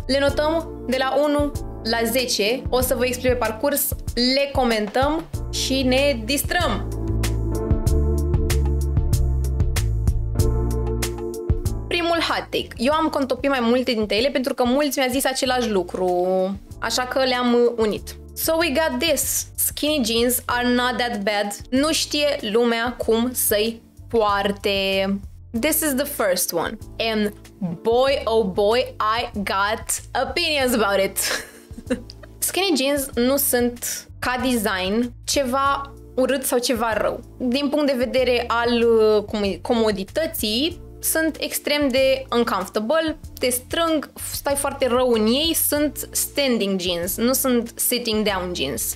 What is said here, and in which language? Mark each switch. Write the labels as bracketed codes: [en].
[ro] Le notăm de la 1 la 10. O să vă explic pe parcurs, le comentăm și ne distrăm! Primul hot take. Eu am contopit mai multe dintre ele pentru că mulți mi-a zis același lucru, așa că le-am unit. [en] So we got this. Skinny jeans are not that bad. [ro] Nu știe lumea cum să-i poarte. [en] This is the first one. And boy oh boy, I got opinions about it. [ro] Skinny jeans nu sunt ca design ceva urât sau ceva rău. Din punct de vedere al comodității, sunt extrem de uncomfortable, te strâng, stai foarte rău în ei, sunt standing jeans, nu sunt sitting down jeans.